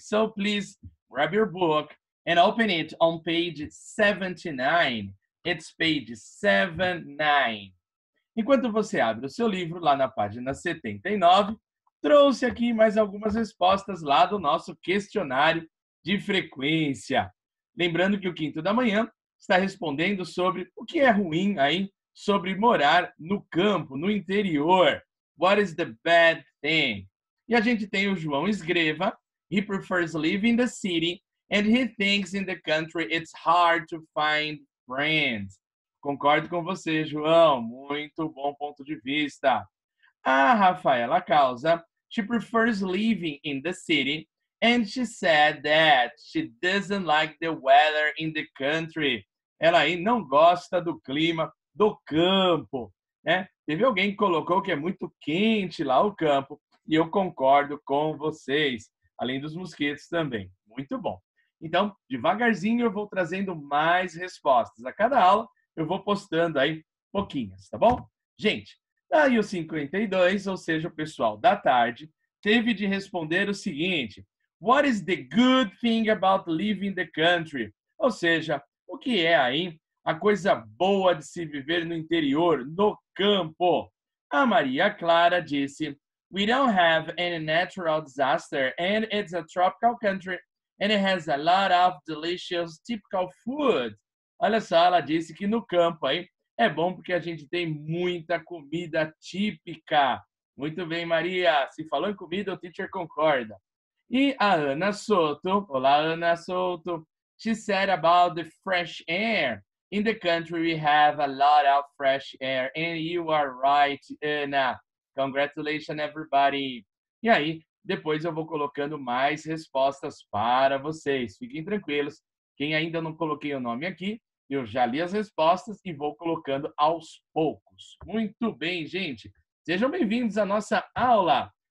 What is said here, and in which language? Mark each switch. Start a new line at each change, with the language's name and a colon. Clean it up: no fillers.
English: So, please grab your book and open it on page 79. It's page 79.
Portuguese: Enquanto você abre o seu livro lá na página 79, trouxe aqui mais algumas respostas lá do nosso questionário de frequência. Lembrando que o quinto da manhã está respondendo sobre o que é ruim aí sobre morar no campo, no interior.
English: What is the bad thing?
Portuguese: E a gente tem o João Esgreva.
English: He prefers living in the city and he thinks in the country it's hard to find friends.
Portuguese: Concordo com você, João. Muito bom ponto de vista.
English: A Rafaela Causa, she prefers living in the city, and she said that she doesn't like the weather in the country.
Portuguese: Ela aí não gosta do clima do campo, né? Teve alguém que colocou que é muito quente lá o campo, e eu concordo com vocês, além dos mosquitos também. Muito bom. Então, devagarzinho eu vou trazendo mais respostas. A cada aula eu vou postando aí pouquinhas, tá bom? Gente, aí o 52, ou seja, o pessoal da tarde, teve de responder o seguinte:
English: What is the good thing about living in the country?
Portuguese: Ou seja, o que é aí a coisa boa de se viver no interior, no campo?
English: A Maria Clara disse: We don't have any natural disaster and it's a tropical country and it has a lot of delicious typical food.
Portuguese: Olha só, ela disse que no campo aí é bom porque a gente tem muita comida típica. Muito bem, Maria. Se falou em comida, o teacher concorda. E a
English: Ana Soto.
Portuguese: Olá,
English: Ana Soto. She said about the fresh air. In the country, we have a lot of fresh air. And you are right, Ana. Congratulations, everybody.
Portuguese: E aí, depois eu vou colocando mais respostas para vocês. Fiquem tranquilos. Quem ainda não coloquei o nome aqui, eu já li as respostas e vou colocando aos poucos. Muito bem, gente. Sejam bem-vindos à nossa aula.